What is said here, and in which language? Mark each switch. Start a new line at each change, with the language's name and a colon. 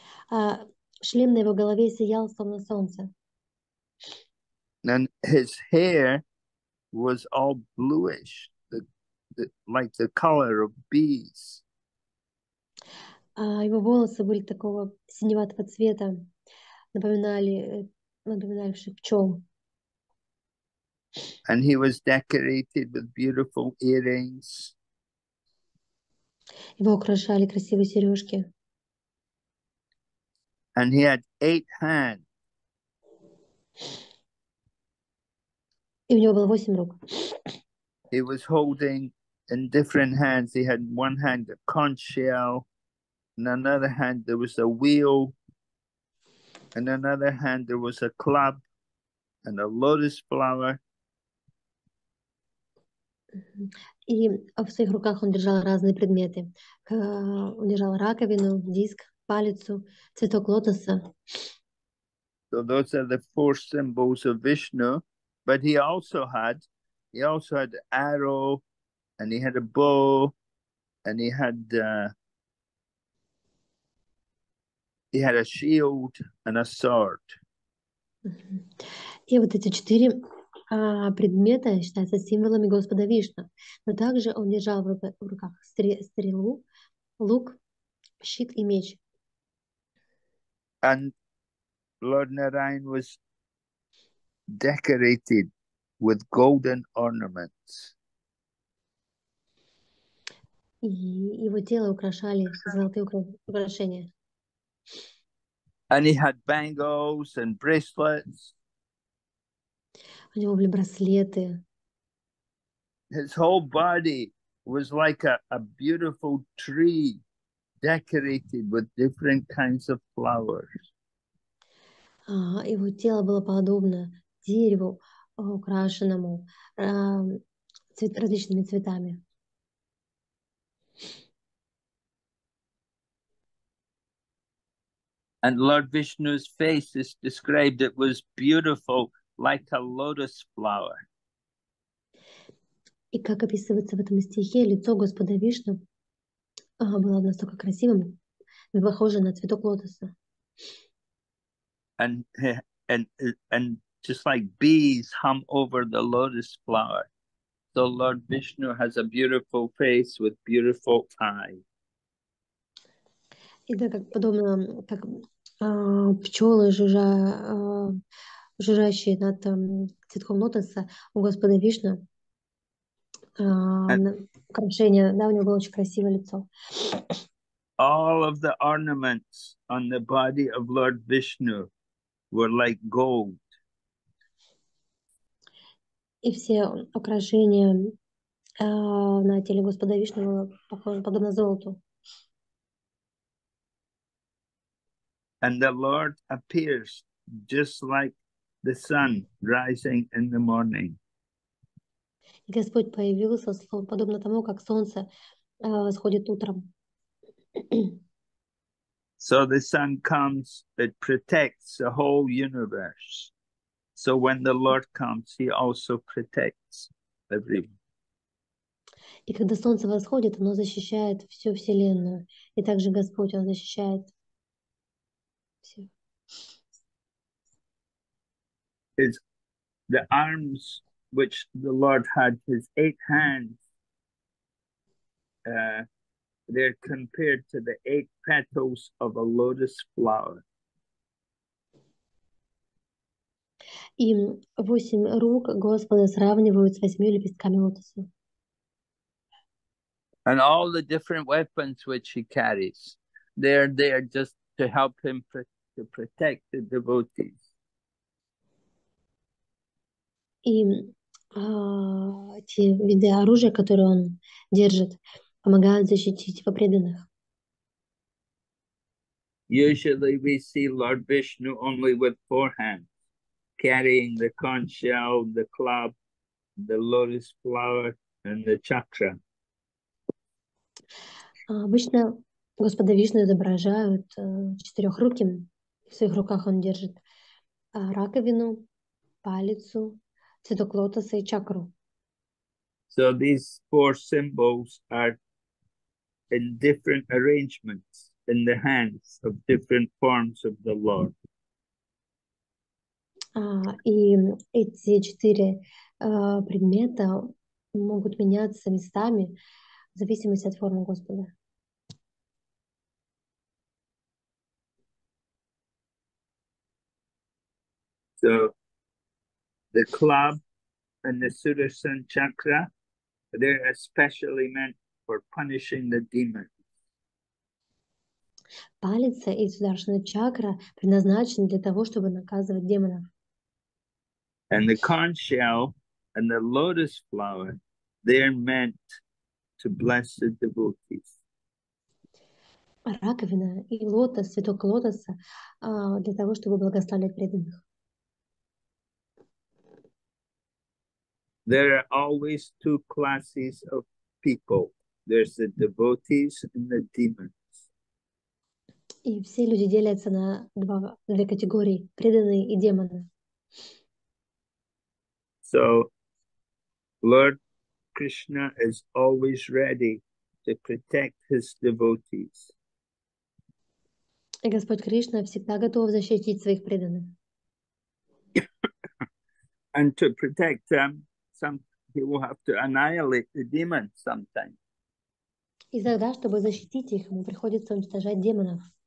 Russian: А шлем на его голове сиял, словно солнце.
English: And his hair was all bluish, like the color of bees.
Russian: А его волосы были такого синеватого цвета, напоминали пчел.
English: And he was decorated with beautiful earrings.
Russian: Его украшали красивые сережки.
English: And he had eight hands.
Russian: И у него было 8 рук.
English: He was holding in different hands. He had in one hand a conch shell, in another hand there was a wheel, in another hand there was a club and a lotus flower.
Russian: И в своих руках он держал разные предметы. Он держал раковину, диск, палицу, цветок лотоса.
English: So those are the four symbols of Vishnu, but he also had arrow, and he had a bow, and he had a shield and a sword.
Russian: И вот эти четыре предмета считаются символами Господа Вишну. Но также он держал в руках стрелу, лук, щит и меч.
English: And Lord Narayan was decorated with golden ornaments.
Russian: И его тело украшали золотые украшения.
English: And he had bangles and bracelets.
Russian: У него были браслеты.
English: His whole body was like a beautiful tree decorated with different kinds of flowers.
Russian: Его тело было подобно дереву, украшенному различными цветами.
English: And Lord Vishnu's face is described, it was beautiful like a lotus flower.
Russian: И как описывается в этом стихе, лицо Господа Вишну было настолько красивым, похоже на цветок лотоса.
English: And just like bees hum over the lotus flower, so Lord Vishnu has a beautiful face with beautiful eyes.
Russian: И да, как подобно, как пчелы жужжащие над цветком лотоса у Господа Вишну. Украшение, да, у него было очень красивое лицо.
English: All of the ornaments on the body of Lord Vishnu were like gold.
Russian: И все украшения на теле Господа Вишну было похоже подобно золоту.
English: And the Lord appears just like the sun rising in the morning.
Russian: И Господь появился, словно подобно тому, как солнце восходит утром.
English: So the sun comes, it protects the whole universe. So when the Lord comes, he also protects everyone.
Russian: И когда солнце восходит, оно защищает всю Вселенную. И также Господь, Он защищает все.
English: The arms which the Lord had, his eight hands, they're compared to the eight petals of a lotus flower.
Russian: И 8 рук Господа сравнивают с 8 лепестками лотоса.
English: And all the different weapons which he carries, they're there just to help him to protect the devotees.
Russian: И те виды оружия, которые он держит, помогают защитить его преданных.
English: Usually we see Lord Vishnu only with four hands, carrying the conch shell, the club, the lotus flower, and the chakra.
Russian: Обычно Господа Вишну изображают четырехруким. В своих руках он держит раковину, палицу, цветок лотоса и чакру.
English: So these four symbols are in different arrangements in the hands of different forms of the Lord.
Russian: И эти четыре предмета могут меняться местами в зависимости от формы Господа.
English: So the club and the Sudarshan chakra, they're especially meant for punishing the demons.
Russian: Палец и сударшина чакра предназначены для того, чтобы наказывать демонов.
English: And the conch shell And the lotus flower, they're meant to bless the devotees.
Russian: Раковина и лотос, цветок лотоса, для того, чтобы благословлять преданных.
English: There are always two classes of people. There's the devotees and the demons.
Russian: И все люди делятся на две категории, преданные и демоны.
English: So, Lord Krishna is always ready to protect his devotees.
Russian: И Господь Кришна всегда готов защитить своих преданных.
English: And to protect them, he will have to annihilate the demon sometimes.
Russian: И тогда, чтобы защитить их, ему приходится уничтожать демонов.